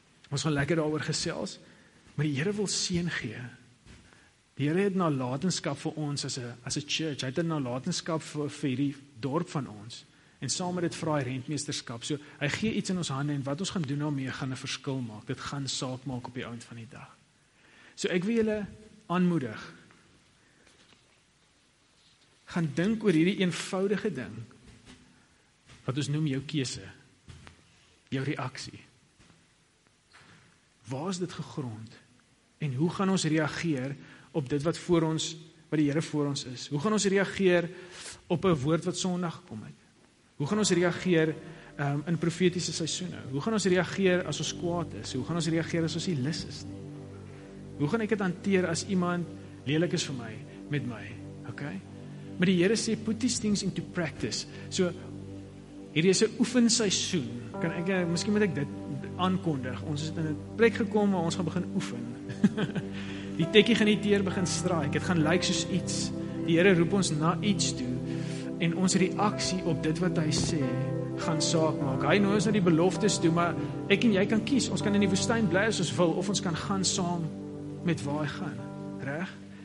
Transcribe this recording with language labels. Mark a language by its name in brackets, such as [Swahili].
[Afrikaans] Ons gaan lekker daaroor gesels, maar die Here wil seën gee. Die Here het nalatenskap vir ons as 'n church. Hy het 'n nalatenskap vir hierdie dorp van ons. En saam met dit vra hy rentmeesterskap. So hy gee iets in ons hande en wat ons gaan doen daarmee gaan 'n verskil maak. Dit gaan saak maak op die einde van die dag. So ek wil julle aanmoedig. Gaan dink oor hierdie eenvoudige ding wat ons noem jou keuse, jou reaksie. Waar is dit gegrond? En hoe gaan ons reageer op dit wat voor ons, wat die Here voor ons is? Hoe gaan ons reageer op 'n woord wat Sondag kom het? Hoe gaan ons reageer in profetiese seisoene? Hoe gaan ons reageer as ons kwaad is? Hoe gaan ons reageer as ons nie lus is nie? Hoe gaan ek dit hanteer as iemand lelik is vir my, met my? Okay? Maar die Here sê, [English] put these things into practice. [Afrikaans] So, hierdie is 'n oefenseisoen. Kan ek, miskien moet ek dit aankondig. Ons is in 'n plek gekom waar ons gaan begin oefen. Die tekkie gaan die teer begin straai. Dit gaan lyk soos iets Die Here roep ons na iets toe en ons reaksie op dit wat hy sê gaan saak maak. Hy nooi ons na die beloftes toe, maar ek en jy kan kies. Ons kan in die woestyn bly as ons wil of ons kan gaan saam met waar hy gaan. Reg?